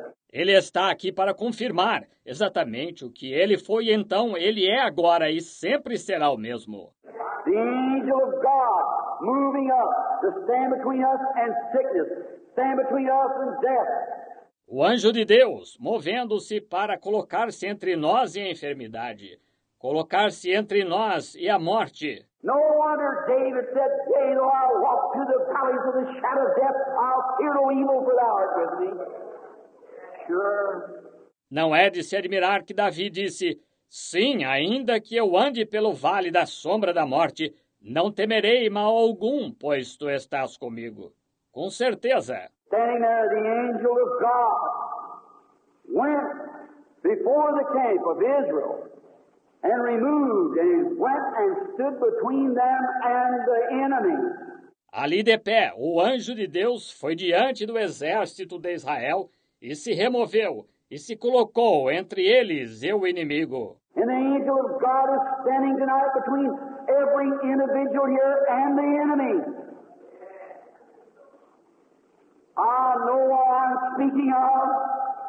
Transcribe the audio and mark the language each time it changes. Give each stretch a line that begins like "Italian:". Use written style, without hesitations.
Portuguese: Ele está aqui para confirmar exatamente o que ele foi então, ele é agora e sempre será o mesmo.
English: The angel of God moving up to stand between us and sickness, stand between us and death.
Portuguese: O anjo de Deus movendo-se para colocar-se entre nós e a enfermidade, colocar-se entre nós e a morte.
English: No wonder David said, "Yea, though I walk through the valleys of the shadow of death, I'll fear no evil, for thou art with me." Sure.
Portuguese: Não é de se admirar que Davi disse: sim, ainda que eu ande pelo vale da sombra da morte, não temerei mal algum, pois tu estás comigo. Com certeza.
English: Standing there, the angel of God went before the camp of Israel and removed and went and stood between them and the enemy.
Portuguese: Ali de pé, o anjo de Deus foi diante do exército de Israel e se removeu e se colocou entre eles e o inimigo.
English: And the angel of God is standing tonight between every individual here and the enemy. I know what I'm speaking of.